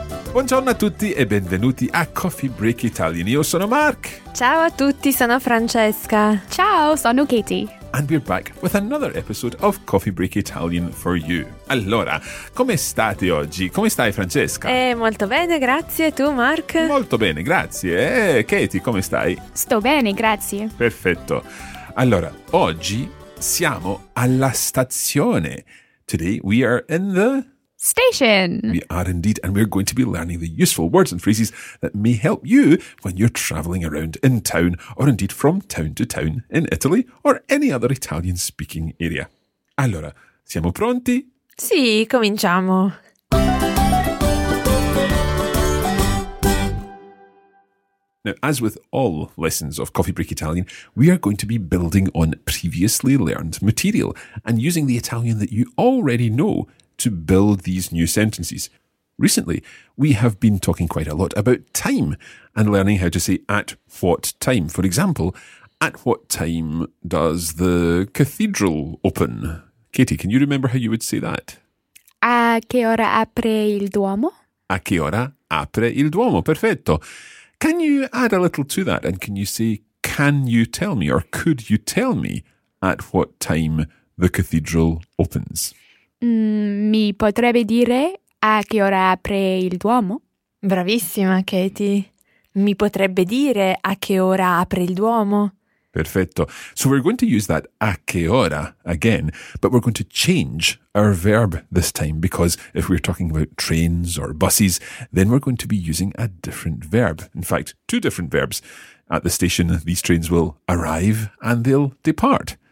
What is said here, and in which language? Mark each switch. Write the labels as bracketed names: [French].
[Italian] Buongiorno a tutti e benvenuti a Coffee Break Italian. Io sono Mark. Ciao a tutti, sono Francesca. Ciao, sono Katie. [English] And we're back with another episode of Coffee Break Italian for you. [Italian] Allora, come state oggi? Come stai, Francesca? Molto bene, grazie. Tu, Mark? Molto bene, grazie. Katie, come stai? Sto bene, grazie. Perfetto. Allora, oggi siamo alla stazione. [English] Today we are in the... station. We are indeed, and we're going to be learning the useful words and phrases that may help you when you're traveling around in town, or indeed from town to town in Italy or any other Italian-speaking area. [Italian] Allora, siamo pronti? Sì, cominciamo. [English] Now, as with all lessons of Coffee Break Italian, we are going to be building on previously learned material and using the Italian that you already know to build these new sentences. Recently, we have been talking quite a lot about time and learning how to say at what time. For example, at what time does the cathedral open? Katie, can you remember how you would say that? [Italian] A che ora apre il Duomo? A che ora apre il Duomo? Perfetto. [English] Can you add a little to that? And can you say, can you tell me or could you tell me at what time the cathedral opens? [Italian] Mi potrebbe dire a che ora apre il Duomo? Bravissima, Katie. Mi potrebbe dire a che ora apre il Duomo? Perfetto. [English] So we're going to use that [Italian] a che ora [English] again, but we're going to change our verb this time, because if we're talking about trains or buses, then we're going to be using a different verb. In fact, two different verbs. At the station, these trains will arrive and they'll depart.